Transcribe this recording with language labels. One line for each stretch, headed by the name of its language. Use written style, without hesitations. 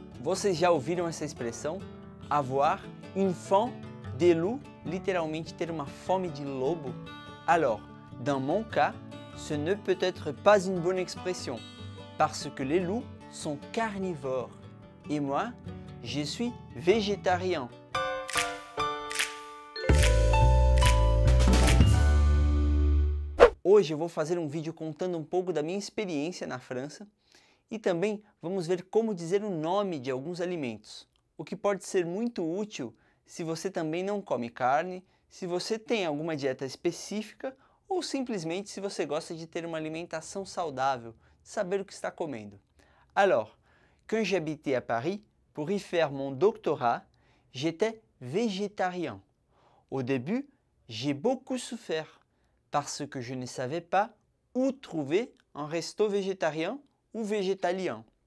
Portuguese: Vocês já ouviram essa expressão?
French: Avoir une faim de loup,
Portuguese: literalmente ter uma fome de lobo?
French: Alors, dans mon cas, ce ne peut être pas une bonne expression, parce que les loups sont carnivores. Et moi, je suis végétarien.
Portuguese: Hoje eu vou fazer um vídeo contando um pouco da minha experiência na França e também vamos ver como dizer o nome de alguns alimentos, o que pode ser muito útil se você também não come carne, se você tem alguma dieta específica ou simplesmente se você gosta de ter uma alimentação saudável, saber o que está comendo.
French: Alors, quand j'habitais à Paris, pour y faire mon doctorat, j'étais végétarien. Au début, j'ai beaucoup souffert. Parce que je ne savais pas où trouver un resto végétarien ou végétalien.